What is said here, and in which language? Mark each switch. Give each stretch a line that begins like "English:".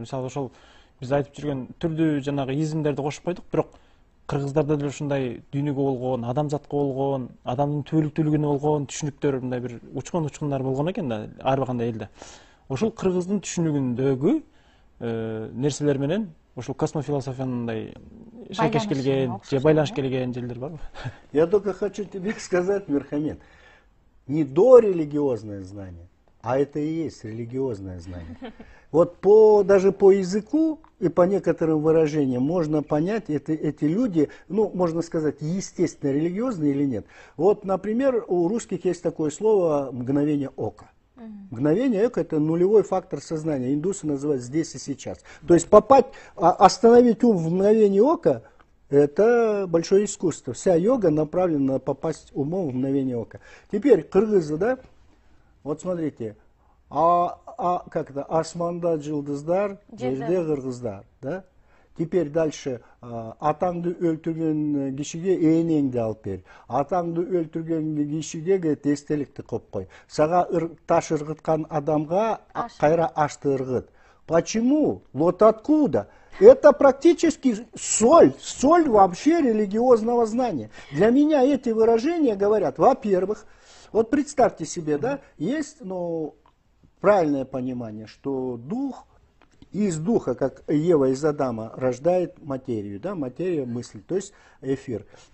Kyrgyz: Мысалы, ошол биз айтып жүргөн түрдүү жанагы изимдерди кошуп койдук, бирок кыргыздарда деле ушундай дүйнөгө болгон, адамзатка болгон, адамдын түбөлүктүүлүгүнө болгон түшүнүктөр мындай бир учкон учкундар болгон экен да, ар кандай элде. Ошол кыргыздын түшүнүгүндөгү нерселер менен ушул космофилософиянындай шайкеш келген же байланыш келген жерлер барбы?
Russian: Я только хочу тебе сказать, Мирхамед, не до религиозное знание, а это и есть религиозное знание. Вот даже по языку и по некоторым выражениям можно понять, эти люди, ну, можно сказать, естественно религиозные или нет. Вот, например, у русских есть такое слово «мгновение ока». Мгновение эко – это нулевой фактор сознания. Индусы называют «здесь и сейчас». То есть остановить ум в мгновение ока – Это большое искусство. Вся йога направлена на попасть умом в мгновение ока. Теперь кыргызы, да? Вот смотрите. А как это?
Kyrgyz: Асманда жылдыздар, жерде кыргыздар, да?
Russian: Теперь дальше.
Kyrgyz: Атаңды өлтүрген кишиге энеңди алып бер. Атаңды өлтүрген кишиге эстеликти коюп кой. Сага таш ыргыткан адамга кайра ашты ыргыт.
Russian: Почему? Вот откуда? Это практически соль, соль вообще религиозного знания. Для меня эти выражения говорят, во-первых, вот представьте себе, да, есть, ну, правильное понимание, что дух, из духа, как Ева из Адама, рождает материю, да, материя мысли, то есть эфир.